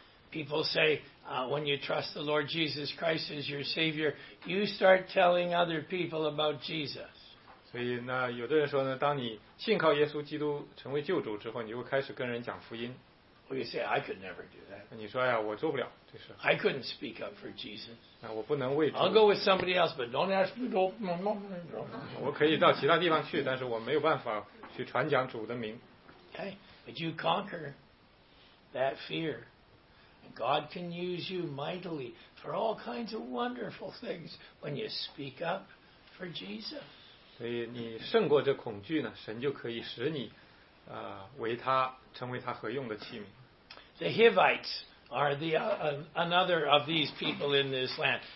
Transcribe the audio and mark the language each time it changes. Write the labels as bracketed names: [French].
[English] People say, when you trust the Lord Jesus Christ as your Savior, you start telling other people about Jesus. [Chinese] 所以那有的人说呢，当你信靠耶稣基督成为救主之后，你就开始跟人讲福音。 [English] Well, you say, I could never do that. [Chinese] 你说呀，我做不了这事。 [English] I couldn't speak up for Jesus. [Chinese] 那我不能为主。 [English] I'll go with somebody else, but don't ask me to open my mouth. [Chinese] 我可以到其他地方去，但是我没有办法去传讲主的名。 [English] Okay, but you conquer that fear. God can use you mightily for all kinds of wonderful things when you speak up for Jesus. [Chinese] 所以你胜过这恐惧呢，神就可以使你为他成为他合用的器皿。 [English] The Hivites are the another of these people in this land.